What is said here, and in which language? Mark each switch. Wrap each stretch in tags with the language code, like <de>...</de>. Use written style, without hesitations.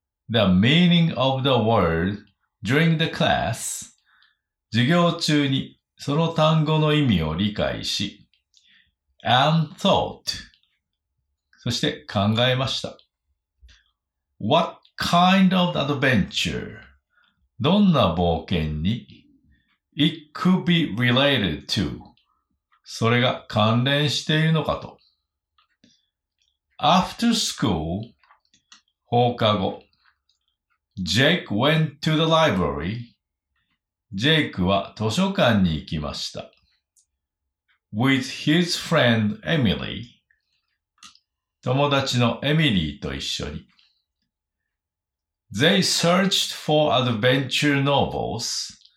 <en>The meaning of the word during the class,</en> <ja>授業中にその単語の意味を理解し、</ja> <en>and thought、</en> <ja>そして考えました。</ja> <en>What kind of adventure?</en> <ja>どんな冒険に</ja> <en>?It could be related to.</en> <ja>それが関連しているのかと。</ja> <en>After school,</en> <ja>放課後、</ja> <en>Jake went to the library.</en> <ja>ジェイクは図書館に行きました。</ja> <en>With his friend Emily.</en> <ja>友達のエミリーと一緒に。</ja> <en>They searched for adventure novels.</en>